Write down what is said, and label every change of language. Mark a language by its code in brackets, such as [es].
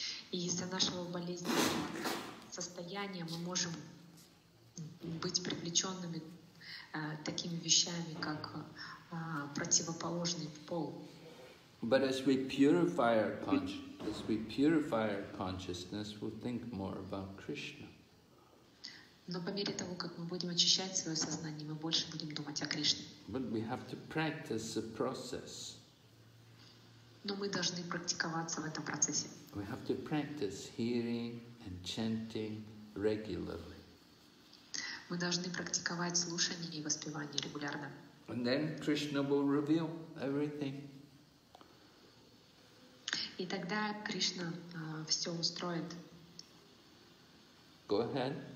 [ru] И из-за нашего болезненного состояния мы можем быть привлеченными такими вещами, как противоположный пол. [en] But as we purify our consciousness, we'll think more about Krishna. [ru] Но по мере того, как мы будем очищать свое сознание, мы больше будем думать о Кришне. [en] But we have to practice the process. [ru] Но мы должны практиковаться в этом процессе. [en] We have to practice hearing and chanting regularly. [ru] Мы должны практиковать слушание и воспевание регулярно. [en] And then Krishna will reveal everything. [ru] И тогда Кришна все устроит. [en] Go ahead.